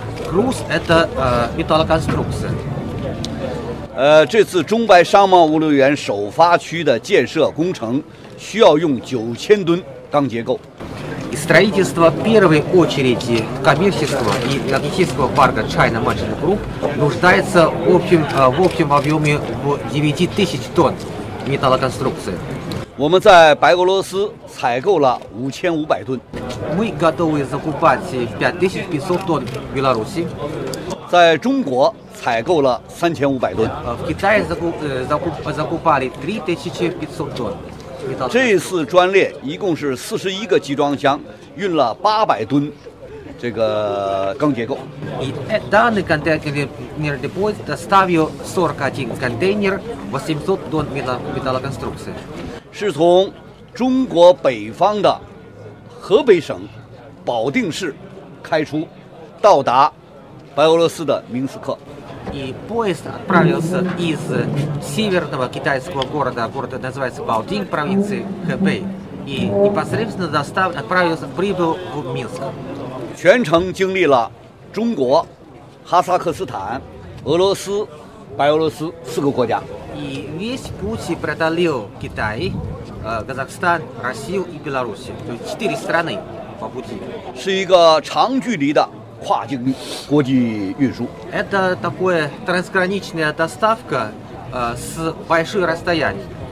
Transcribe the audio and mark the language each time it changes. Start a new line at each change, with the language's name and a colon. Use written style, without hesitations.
Russian: Груз это металлоконструкция.
Chinese: 这次中白商贸物流园首发区的建设工程需要用9000吨钢结构。
Russian: Строительство первой очереди коммерческого и логистического парка China Merchant Group нуждается в общем объеме в 9000 тонн металлоконструкции.
Chinese: 我们在白俄罗斯采购了5500吨.
Russian: Мы готовы закупать 5500 тонн в Беларуси.
Chinese: 在中国采购了3500吨.
Russian: В Китае закупали 3500 тонн.
Chinese: 这次专列一共是41个集装箱，运了800吨这个钢结构。
Russian: Данный контейнер депо доставил 41 контейнер 800 тонн металлоконструкции.
Chinese: 是从中国北方的河北省保定市开出，到达白俄罗斯的明斯克。
Russian: И поезд отправился из северного китайского города, город называется Баотин, провинции Хэбэй, и непосредственно отправился, прибыл в Минск.
Chinese: 全程经历了中国、哈萨克斯坦、俄罗斯、白俄罗斯4个国家。
Russian: И весь путь преодолел Китай, Казахстан, Россию и Беларусь, то есть 4 страны по пути.
Chinese: 是一个长距离的跨境国际运输。
Russian: Это такое трансграничная доставка с большим расстоянием.